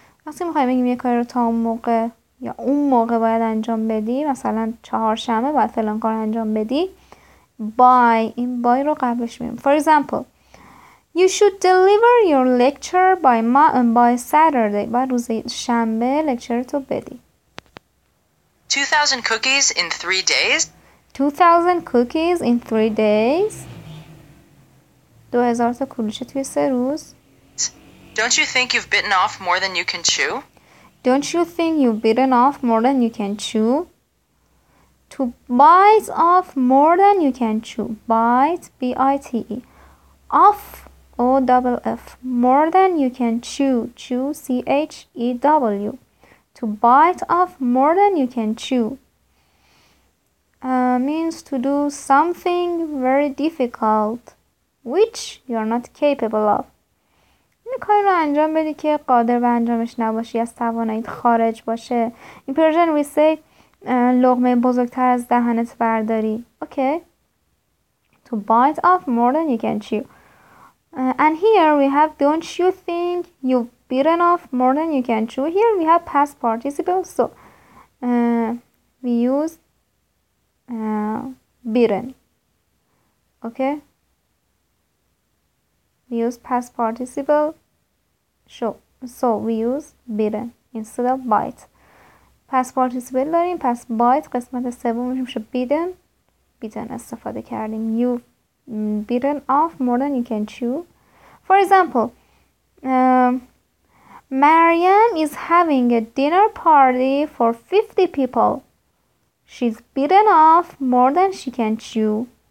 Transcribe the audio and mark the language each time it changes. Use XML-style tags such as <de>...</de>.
<fa>وقتی میخواییم بگیم یک کاری رو تا اون موقع یا اون موقع باید انجام بدی، مثلا چهارشنبه باید فلان کار انجام بدی، by این by رو قبلش میگیم.</fa> <en>For example, you should deliver your lecture by Saturday.</en> <fa>بعد روز شنبه لکچرتو بدی.</fa> <en>2,000 cookies in 3 days? 2,000 cookies in 3 days? 2,000</en> <fa>تا کلوچه توی 3 روز.</fa> <en>Don't you think you've bitten off more than you can chew? Don't you think you've bitten off more than you can chew? To bite off more than you can chew. Bite, B-I-T-E. Off. O double F. More than you can chew. Chew, C-H-E-W. To bite off more than you can chew. Means to do something very difficult, which you are not capable of.</en> <fa>این کاری رو انجام بدی که قادر به انجامش نباشی، از توانایت خارج باشه.</fa> <en>In Persian we say</en> <fa>لقمه بزرگتر از دهنت برداری.</fa> <en>Okay. To bite off more than you can chew. And here we have, don't you think you've bitten off more than you can chew? Here we have past participle, so we use bitten. Okay? We use past participle, so we use bitten instead of bite.</en> <fa>پس پارتیسیپل داریم، پس بایت قسمت سومش میشه بیدن. بیدن استفاده کردیم.</fa> <en>You bitten off more than you can chew. For example, Maryam is having a dinner party for 50 people. She's bitten off more than she can chew.</en>